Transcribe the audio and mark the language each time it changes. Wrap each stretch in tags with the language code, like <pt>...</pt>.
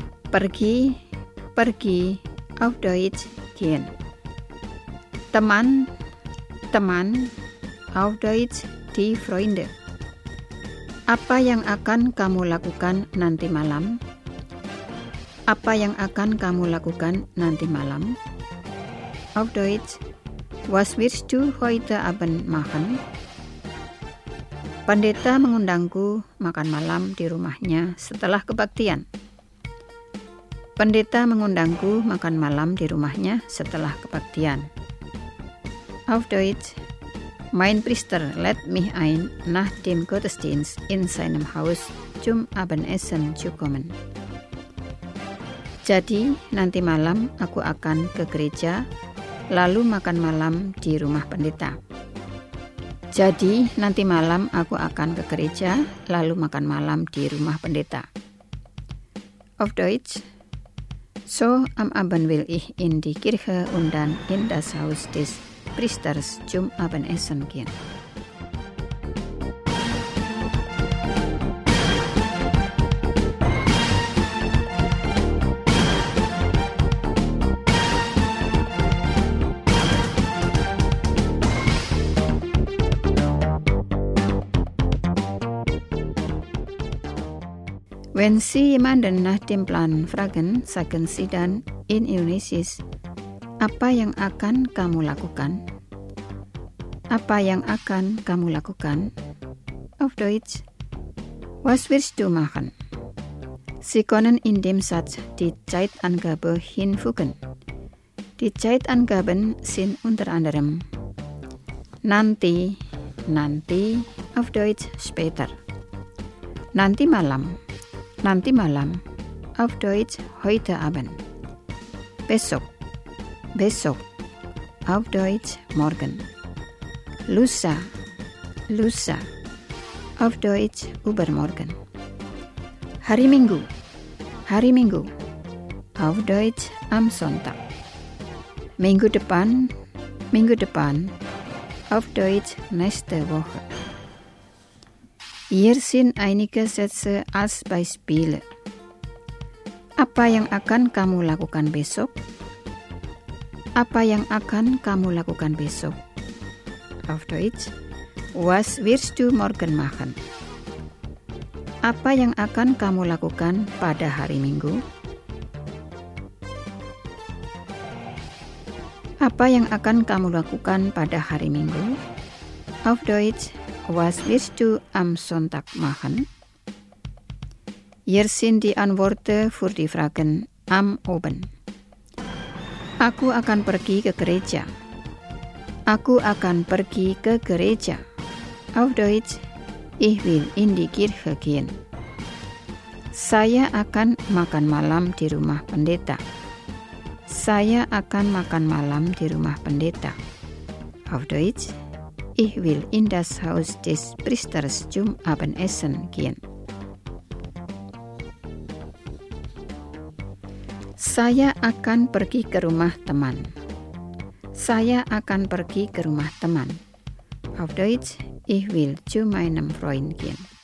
<id>Pergi, pergi,</id> <de>auf Deutsch, gehen.</de> <id>Teman, teman,</id> <de>auf Deutsch, die Freunde.</de> <id>Apa yang akan kamu lakukan nanti malam? Apa yang akan kamu lakukan nanti malam?</id> <de>Auf Deutsch, was wirst du heute Abend machen?</de> <id>Pendeta mengundangku makan malam di rumahnya setelah kebaktian. Pendeta mengundangku makan malam di rumahnya setelah kebaktian.</id> <de>Auf Deutsch, mein Priester lädt mich ein, nach dem Gottesdienst in seinem Haus zum Abendessen zu kommen.</de> <id>Jadi, nanti malam aku akan ke gereja lalu makan malam di rumah pendeta. Jadi, nanti malam aku akan ke gereja, lalu makan malam di rumah pendeta.</id> <de>Auf Deutsch. So, am Abend will ich in die Kirche und dann in das Haus des Priesters zum Abendessen gehen. Wenn Sie jemanden nach dem Plan fragen, sagen Sie dann in Indonesisch,</de> <id>apa yang akan kamu lakukan? Apa yang akan kamu lakukan?</id> <de>Auf Deutsch, was wirst du machen? Sie können in dem Satz die Zeitangabe hinfügen. Die Zeitangaben sind unter anderem</de> <id>nanti, nanti,</id> <de>auf Deutsch später.</de> <id>Nanti malam. Nanti malam,</id> <de>auf Deutsch heute Abend.</de> <id>Besok, besok,</id> <de>auf Deutsch morgen.</de> <id>Lusa, lusa,</id> <de>auf Deutsch übermorgen.</de> <id>Hari Minggu,</id> <de>auf Deutsch am Sonntag.</de> <id>Minggu depan,</id> <de>auf Deutsch nächste Woche. Hier sind einige Sätze als Beispiele.</de> <id>Apa yang akan kamu lakukan besok? Apa yang akan kamu lakukan besok?</id> <de>Auf Deutsch, was wirst du morgen machen?</de> <id>Apa yang akan kamu lakukan pada hari Minggu? Apa yang akan kamu lakukan pada hari Minggu?</id> <de>Auf Deutsch, was willst du am Sonntag machen? Hier sind die Antworten für die Fragen am oben.</de> <id>Aku akan pergi ke gereja. Aku akan pergi ke gereja.</id> <de>Auf Deutsch, ich will in die Kirche gehen.</de> <id>Saya akan makan malam di rumah pendeta. Saya akan makan malam di rumah pendeta.</id> <de>Auf Deutsch, ich will in das Haus des Priesters zum Abendessen gehen.</de> <id>Saya akan pergi ke rumah teman. Saya akan pergi ke rumah teman.</id> <de>Auf Deutsch, ich will zu meinem Freund gehen.</de>